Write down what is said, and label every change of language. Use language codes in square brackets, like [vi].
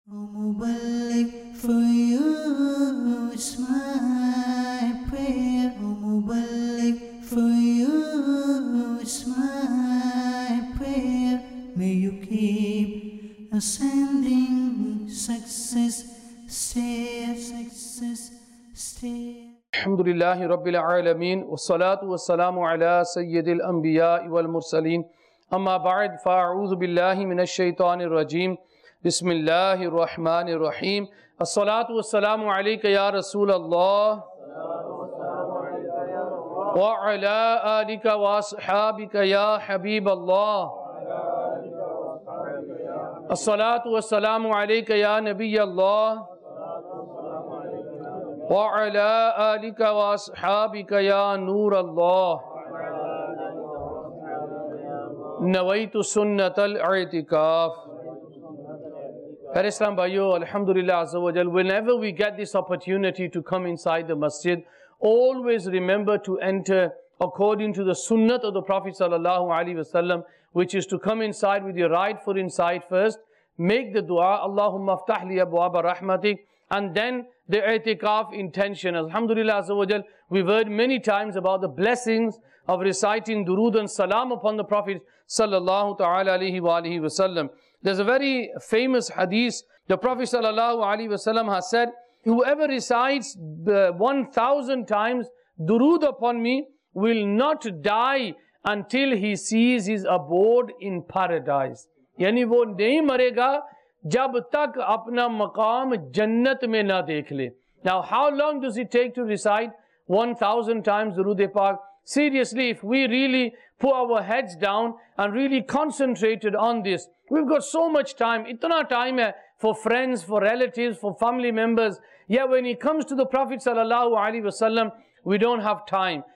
[en] مبلغ for you, it's my prayer. Oh, مبلغ for you, it's my prayer. May you keep ascending success, stair, success, stair. [ar] الحمد لله رب العالمين والصلاة والسلام على سيد الأنبياء والمرسلين أما بعد فأعوذ بالله من الشيطان الرجيم بسم الله الرحمن الرحيم الصلاة والسلام عليك يا رسول الله وعلى آلك وأصحابك يا حبيب الله الصلاة والسلام عليك يا نبي الله وعلى آلك وأصحابك يا نور الله نويت سنة الاعتكاف. [ur] Islam bhaiyo, [en] alhamdulillah azza wa jal, whenever we get this opportunity to come inside the masjid, always remember to enter according to the sunnah of the Prophet sallallahu alaihi wasallam, which is to come inside with your right foot inside first, make the dua, [ar] Allahumma aftah li abwaab rahmatik, [en] and then the itikaf intention. Alhamdulillah azza wa jal, we've heard many times about the blessings of reciting durood and salam upon the Prophet sallallahu ta'ala alayhi wa alihi wa sallam. There's a very famous hadith. The Prophet sallallahu alayhi wa sallam has said, whoever recites 1,000 times durood upon me will not die until he sees his abode in paradise. [ur] Yani wo nahi marega جب تک اپنا مقام جنت میں نہ دیکھ لے. [en] Now how long does it take to recite 1,000 times Durood Pak? Seriously, if we really put our heads down and really concentrated on this, we've got so much time, [ur] اتنا time ہے [en] for friends, for relatives, for family members. Yet when it comes to the Prophet صلی اللہ علیہ وسلم, we don't have time.